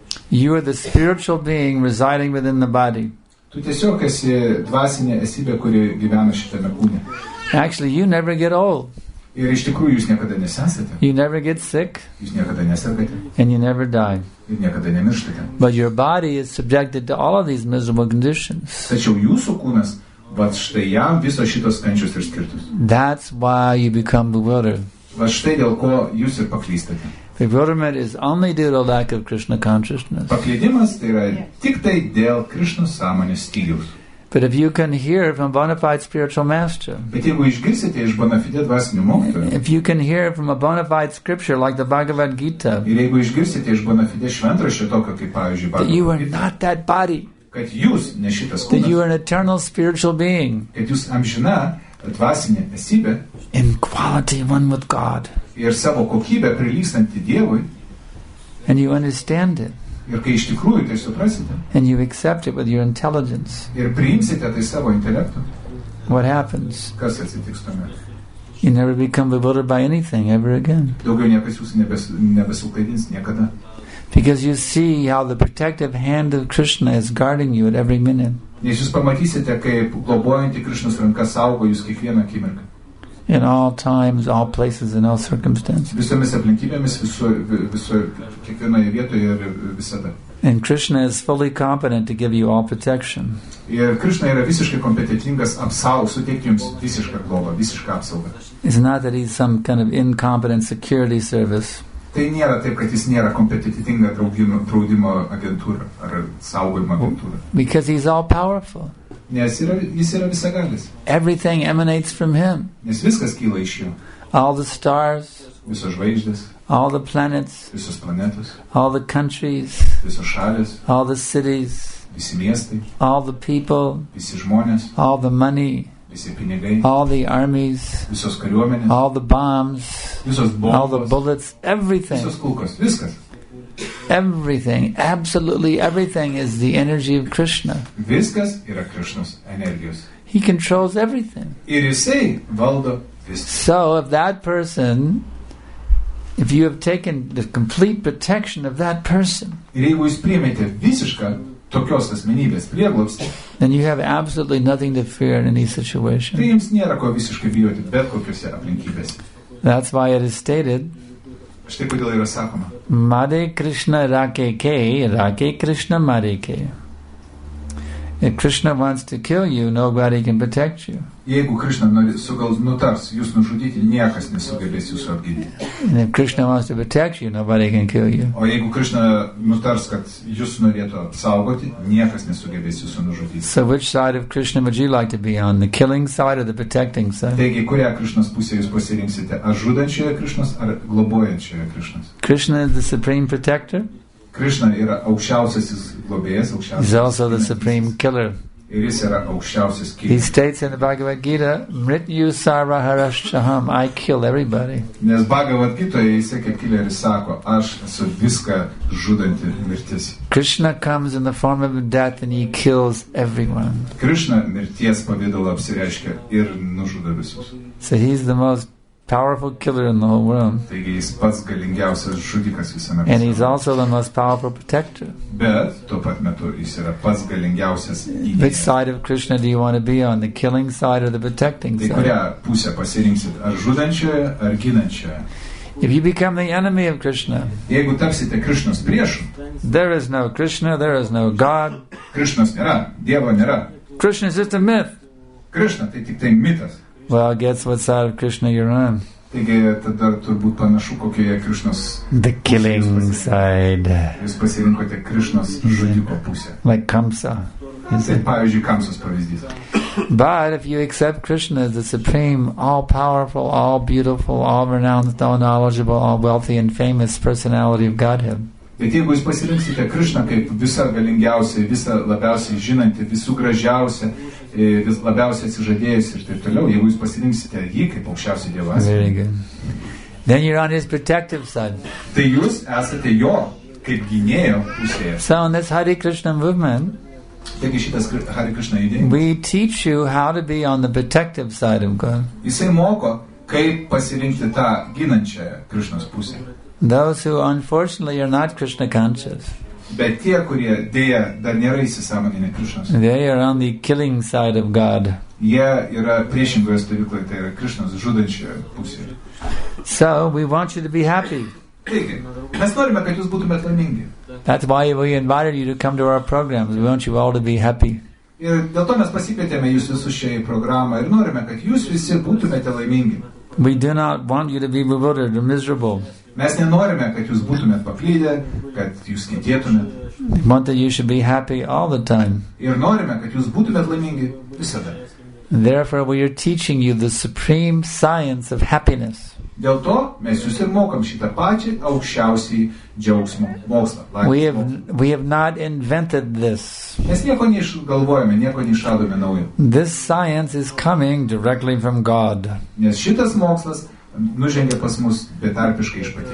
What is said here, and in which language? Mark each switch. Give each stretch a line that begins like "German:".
English: You are the spiritual being residing within the body.
Lithuanian: Tu tiesiog esi dvasinė esybė, kuri gyvena šitame kūne.
English: Actually, you never get old.
Lithuanian: Ir iš tikrųjų jūs niekada nesesate.
English: You never get sick.
Lithuanian: Jūs niekada nesergate.
English: And you never die.
Lithuanian: Ir niekada nemirštate.
English: But your body is subjected to all of these miserable conditions.
Lithuanian: Tačiau jūsų kūnas, vat štai jam visos šitos kančios ir skirtus.
English: That's why you become bewildered.
Lithuanian: Vat štai dėl ko jūs ir paklystate.
English: Bewilderment is only due to lack of Krishna consciousness.
Lithuanian: Paklydimas tai yra tik tai dėl Krishna sąmonės stygiaus.
English: But if you can hear from a bona fide spiritual master, if you can hear from a bona fide scripture like the Bhagavad Gita, that you are not that body, that you are an eternal spiritual being, in quality one with God, and you understand it.
Lithuanian: Ir kai iš tikrųjų tai suprasite.
English: And you accept it with your intelligence.
Lithuanian: Ir priimsite tai savo intelektu.
English: What happens?
Lithuanian: Kas atsitiks tuomet?
English: You never become bewildered by anything ever again.
Lithuanian: Daugiau niekas jūsų nebesuklaidins niekada.
English: Because you see how the protective hand of Krishna is guarding you at every minute.
Lithuanian: Nes jūs pamatysite, kaip globojanti Krishnas ranka saugo jūs kiekvieną akimirką.
English: In all times, all places, and all circumstances.
Lithuanian: Visomis aplinkybėmis, visur, kiekvienoje vietoje ir visada.
English: And Krishna is fully competent to give you all protection.
Lithuanian: Ir Krishna yra visiškai kompetentingas suteikti jums visišką globą, visišką apsaugą.
English: It's not that he's some kind of incompetent security service.
Lithuanian: Tai nėra taip, kad jis nėra kompetentinga draudimo agentūra ar saugojimo agentūra.
English: Because he's all powerful.
Lithuanian: Nes jis yra visagalis.
English: Everything emanates from him.
Lithuanian: Nes viskas kyla iš jo.
English: All the stars.
Lithuanian: Visos žvaigždės.
English: All the planets.
Lithuanian: Visos planetos.
English: All the countries.
Lithuanian: Visos šalis.
English: All the cities.
Lithuanian: Visi miestai.
English: All the people.
Lithuanian: Visi žmonės.
English: All the money.
Lithuanian: Visi pinigai.
English: All the armies.
Lithuanian: Visos kariuomenės.
English: All the bombs.
Lithuanian: Visos bombos.
English: All the bullets. Everything.
Lithuanian: Visos kulkos. Viskas.
English: Everything, absolutely everything is the energy of Krishna.
Lithuanian: Viskas yra Krishnos energijos.
English: He controls everything.
Lithuanian: Ir jisai valdo viską.
English: So if that person, if you have taken the complete protection of that person,
Lithuanian: ir jeigu jūs priėmėte visišką tokios asmenybės prieglobstį,
English: then you have absolutely nothing to fear in any situation.
Lithuanian: Tai jums nėra ko visiškai bijoti bet kokiose aplinkybėse.
English: That's why it is stated,
Lithuanian: štai kodėl yra sakoma.
Sanskrit: Mare Krishna rake Krishna mare ke.
English: If Krishna wants to kill you, nobody can protect you.
Lithuanian: Jeigu Krishna nutars jūs nužudyti, niekas nesugebės jūsų apginti.
English: And if Krishna wants to protect you, nobody can kill you.
Lithuanian: O jeigu Krishna nutars, kad jūs norėtų apsaugoti, niekas nesugebės jūsų nužudyti.
English: So which side of Krishna would you like to be on? The killing side or the protecting side?
Lithuanian: Taigi, kurią Krishnas pusę jūs pasirinksite? Ar žudančioje Krishnas, ar globojančioje Krishnas?
English: Krishna is the supreme protector.
Lithuanian: Krishna yra aukščiausiasis globėjas, aukščiausiasis.
English: He's also the supreme killer.
Lithuanian: Ir jis yra aukščiausias
English: killer. He states in the Bhagavad Gita,
Sanskrit: Mrityu Sarvaharashtaham,
English: I kill everybody.
Lithuanian: Nes Bhagavad Gita, jis kaip killeris sako, aš esu viską žudanti mirtis.
English: Krishna comes in the form of death and he kills everyone.
Lithuanian: Krishna mirties pavidalu apsireiškia ir nužudo visus.
English: So he's the most powerful killer in the whole world.
Lithuanian: Taigi jis pats galingiausias žudikas visame pasaulyje.
English: And he's also the most powerful protector.
Lithuanian: Bet tuo pat metu jis yra pats galingiausias gynėjas.
English: Which side of Krishna do you want to be on, the killing side or the protecting side?
Lithuanian: Tai kurią pusę pasirinksit, ar žudančioje, ar ginančioje?
English: If you become the enemy of Krishna,
Lithuanian: jeigu tapsite Krishnos priešu,
English: there is no Krishna, there is no God.
Lithuanian: Krishnos nėra, Dievo nėra.
English: Krishna is just a myth.
Lithuanian: Krishna tai tik tai mitas.
English: Well, guess what side of Krishna you're on.
Lithuanian: Taigi, tada turbūt panašu, kokioje Krishnos...
English: The killing side.
Lithuanian: Jūs pasirinkote Krishnos žudiko pusę.
English: Like Kamsa.
Lithuanian: Tai, pavyzdžiui, Kamsos pavyzdys.
English: But if you accept Krishna as the supreme, all-powerful, all-beautiful, all-renowned, all-knowledgeable, all-wealthy and famous personality of Godhead.
Lithuanian: Bet jeigu jūs pasirinksite Krishna kaip visą galingiausią, visą labiausiai žinantį, visų gražiausią, vis labiausiai atsižadėjusi ir taip toliau, jeigu jūs pasirinksite jį kaip aukščiausią dievą.
English: Very good. Then you're on his protective side.
Lithuanian: Tai jūs esate jo kaip gynėjo pusėje.
English: So in this Hare Krishna movement,
Lithuanian: taigi šitas Hare Krishna judėjimas,
English: we teach you how to be on the protective side of God.
Lithuanian: Jisai moko, kaip pasirinkti tą ginančią Krishnos pusę.
English: Those who unfortunately are not Krishna conscious.
Lithuanian: Bet tie, kurie dėja, dar nėra įsisąmoninę Krishnos.
English: They are on the killing side of God.
Lithuanian: Jie yra priešingoje stovykloje, tai yra Krishnos žudančioje pusėje.
English: So, we want you to be happy.
Lithuanian: Taigi, mes norime, kad jūs būtumėt laimingi.
English: That's why we invited you to come to our programs. We want you all to be happy.
Lithuanian: Ir dėl to mes pasikvietėme jūs visus šiai programą ir norime, kad jūs visi būtumėte laimingi.
English: We do not want you to be bewildered or miserable.
Lithuanian: Mes nenorime, kad jūs būtumėt paklydę, kad jūs kentėtumėt.
English: We want that you should be happy all the time.
Lithuanian: Ir norime, kad jūs būtumėt laimingi visada.
English: Therefore, we are teaching you the supreme science of happiness.
Lithuanian: Dėl to mes jūs ir mokam šitą pačią aukščiausią džiaugsmo mokslą.
English: We have not invented this.
Lithuanian: Mes nieko neišgalvojame, nieko neišradome naujo.
English: This science is coming directly from God.
Lithuanian: Nes šitas mokslas nužengė pas mus betarpiškai iš paties.